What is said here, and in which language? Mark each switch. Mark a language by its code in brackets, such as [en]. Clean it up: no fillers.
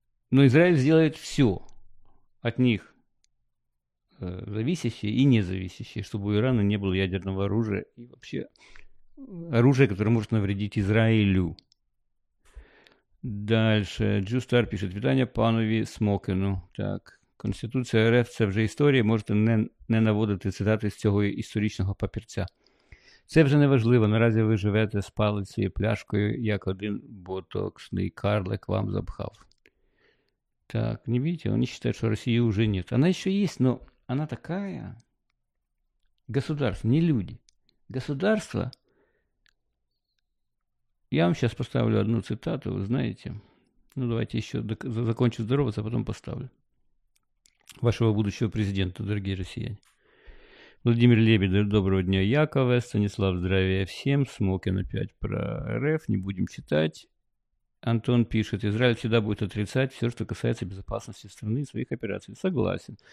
[ru] Но Израиль сделает все от них, зависящее и независящее, чтобы у Ирана не было ядерного оружия и вообще оружия, которое может навредить Израилю. Дальше. Джустар пишет: «Витание панове Смокину». [uk] Так. Конституція РФ – це вже історія, можете не наводити цитати з цього історичного папірця. Це вже не важливо, наразі ви живете з палицею і пляшкою, як один ботоксний карлик вам запхав. Так, не бачите, вони вважають, що Росії вже нет. Вона ще є, але вона така. [ru] Государство, не люди. Государство. [uk] Я вам зараз поставлю одну цитату, ви знаєте. Ну, давайте ще закончу здороватися, а потім поставлю. [ru] Вашего будущего президента, дорогие россияне. Владимир Лебедев: [uk] доброго дня, [ru] Яков. Станислав: здравия всем. Смокин опять про РФ, не будем читать. Антон пишет: Израиль всегда будет отрицать все, что касается безопасности страны и своих операций. Согласен.